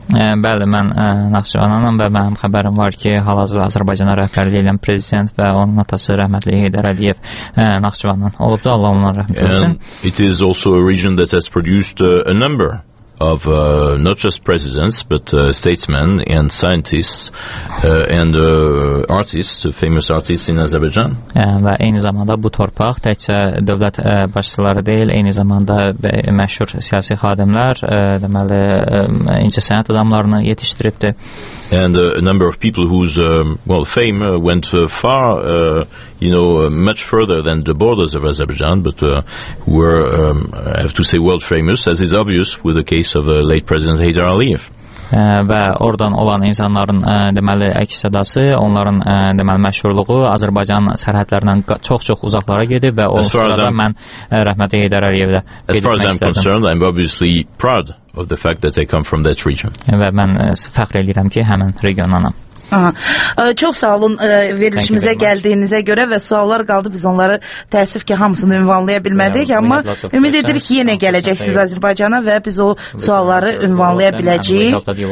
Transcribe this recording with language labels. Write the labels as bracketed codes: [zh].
[az] Bəli, mən Narchevinliyəm və mənim xəbərim var ki, hal-hazırda Azərbaycana rəhbərlik edən prezident və onun atası rəhmətli Heydər Əliyev Narchevindən olubdu. Allah ona rəhmət eləsin. [en] It is also a region that has produced a number of not just presidents but statesmen and scientists and artists, famous artists in Azerbaijan. [az] Və eyni zamanda bu torpaq təkcə dövlət başçıları deyil, eyni zamanda məşhur siyasi xadimlər, deməli incəsənət adamlarını yetişdiribdi. [en] And a number of people whose fame went far much further than the borders of Azerbaijan, but were, I have to say, world famous, as is obvious with the case of late President Heydar Aliyev. [az] Və oradan olan insanların deməli əks-sədası, onların deməli məşhurluğu Azərbaycan sərhədlərindən çox-çox uzaqlara gedib və o sırada mən rəhmətli Heydər Əliyevə də gedib məşhurdum. [en] As far as I'm concerned, I'm obviously proud of the fact that I come from that region. [az] Və mən fəxr edirəm ki, həmin regionanam. Çox sağ olun verilişimizə gəldiyinizə görə və suallar qaldı, biz onları təəssüf ki, hamısını ünvanlaya bilmədik, amma ümid edirik ki, yenə gələcəksiniz Azərbaycana və biz o sualları ünvanlaya biləcəyik.